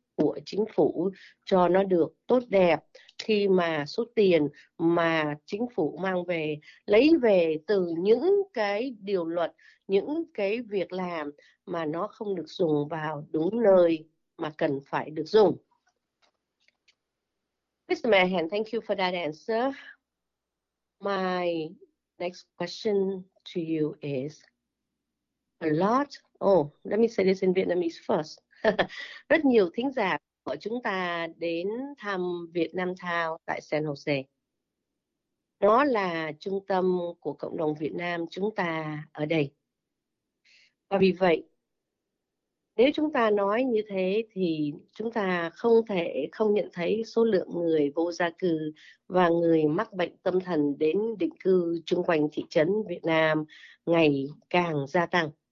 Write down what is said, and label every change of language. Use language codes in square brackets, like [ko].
[vi] của chính phủ cho nó được tốt đẹp khi mà số tiền mà chính phủ mang về, lấy về từ những cái điều luật, những cái việc làm mà nó không được dùng vào đúng nơi mà cần phải được dùng. [en] Mr. Mahan, thank you for that answer. My next question to you is a lot. Oh, let me say this in Vietnamese first. [vi] Rất nhiều thính giả của chúng ta đến thăm Vietnam Town tại San Jose. Nó là trung tâm của cộng đồng Việt Nam chúng ta ở đây. Và vì vậy, nếu chúng ta nói như thế thì chúng ta không thể không nhận thấy số lượng người vô gia cư và người mắc bệnh tâm thần đến định cư chung quanh thị trấn Việt Nam ngày càng gia tăng.